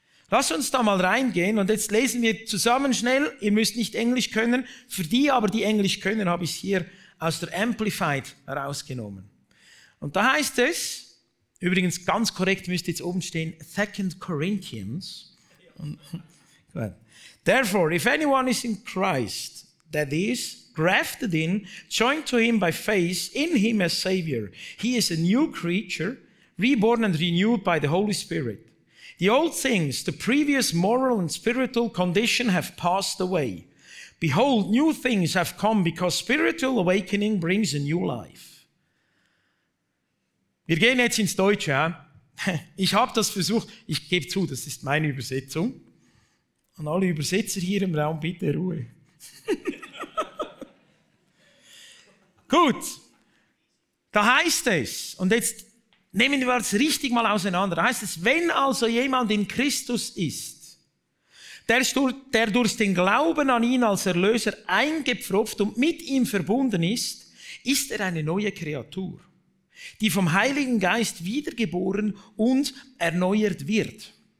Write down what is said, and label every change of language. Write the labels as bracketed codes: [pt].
[de] Lass uns da mal reingehen und jetzt lesen wir zusammen schnell. Ihr müsst nicht Englisch können. Für die aber, die Englisch können, habe ich es hier aus der Amplified herausgenommen. Und da heißt es, übrigens ganz korrekt müsste jetzt oben stehen, 2 Corinthians. [en] Therefore, if anyone is in Christ, that is, grafted in, joined to him by faith, in him as Savior. He is a new creature, reborn and renewed by the Holy Spirit. The old things, the previous moral and spiritual condition have passed away. Behold, new things have come because spiritual awakening brings a new life. [de] Wir gehen jetzt ins Deutsche. Ich habe das versucht, ich gebe zu, das ist meine Übersetzung. An alle Übersetzer hier im Raum, bitte Ruhe. Gut, da heißt es, und jetzt nehmen wir das richtig mal auseinander, da heißt es, wenn also jemand in Christus ist, der durch den Glauben an ihn als Erlöser eingepfropft und mit ihm verbunden ist, ist er eine neue Kreatur, die vom Heiligen Geist wiedergeboren und erneuert wird.